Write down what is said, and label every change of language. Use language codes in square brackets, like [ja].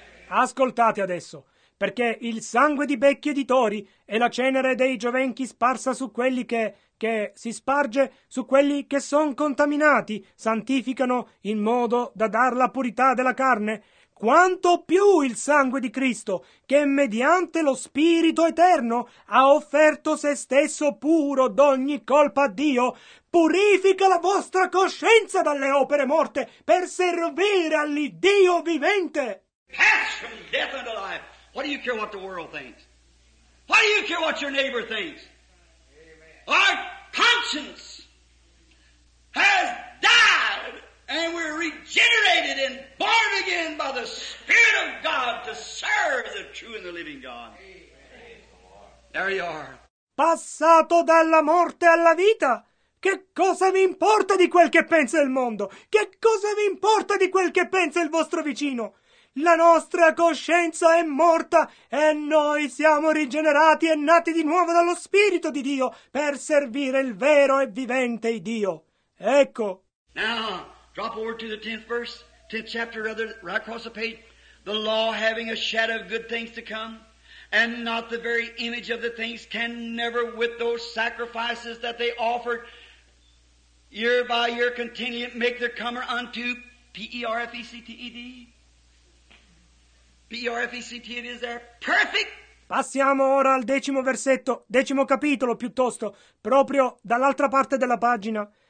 [it] Ascoltate adesso, perché il sangue di becchi e di tori e la cenere dei giovenchi sparsa su quelli che si sparge su quelli che sono contaminati, santificano in modo da dar la purità della carne, quanto più il sangue di Cristo, che mediante lo Spirito Eterno ha offerto se stesso puro d'ogni colpa a Dio, purifica la vostra coscienza dalle opere morte per servire all'Iddio vivente. [en] Pass from death unto life. What do you care what the world thinks? Why do you care what your neighbor thinks? Amen. Our conscience has died and we're regenerated and born again by the Spirit of God to serve the true and the living God. Amen. There you are. [it] Passato dalla morte alla vita. Che cosa vi importa di quel che pensa il mondo? Che cosa vi importa di quel che pensa il vostro vicino? La nostra coscienza è morta e noi siamo rigenerati e nati di nuovo dallo Spirito di Dio per servire il vero e vivente Dio. Ecco. [en] Now, drop over to the 10th verse, 10th chapter, rather, right across the page. The law having a shadow of good things to come, and not the very image of the things, can never with those sacrifices that they offered year by year continually make their comer unto P-E-R-F-E-C-T-E-D. P-R-F-E-C-T, it is there. Perfect! [it] Passiamo ora al decimo versetto, decimo capitolo piuttosto, proprio dall'altra parte della pagina.